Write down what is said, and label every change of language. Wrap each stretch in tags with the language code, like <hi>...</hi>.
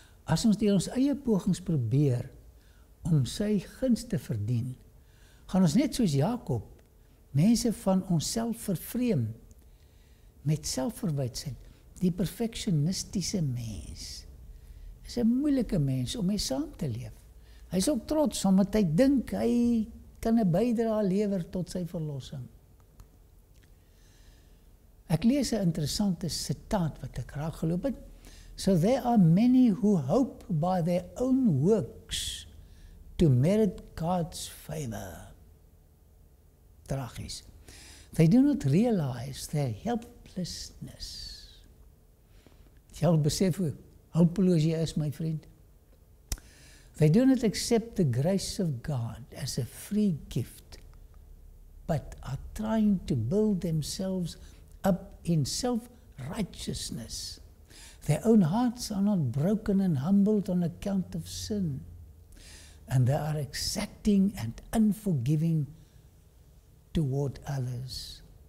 <af>As ons deur ons eie pogings probeer om sy guns te verdien, gaan ons net soos Jakob mense van onsself vervreem met selfverwytsing, die perfeksionistiese mens. Is 'n moeilike mens om mee saam te leef. Hy is ook trots omdat hy dink hy kan 'n bydrae lewer tot sy verlossing. Ek lees 'n interessante sitaat wat ek raak geloop het.</af> <en>So there are many who hope by their own works to merit God's favor.</en> <af>Tragies.</af> <en>They do not realize their helplessness.</en> <af>Jy al besef hoe hulpeloos jy is, my vriend.</af> <en>They do not accept the grace of God as a free gift, but are trying to build themselves up in self-righteousness. Their own hearts are not broken and humbled on account of sin, and they are exacting and unforgiving toward others.</en>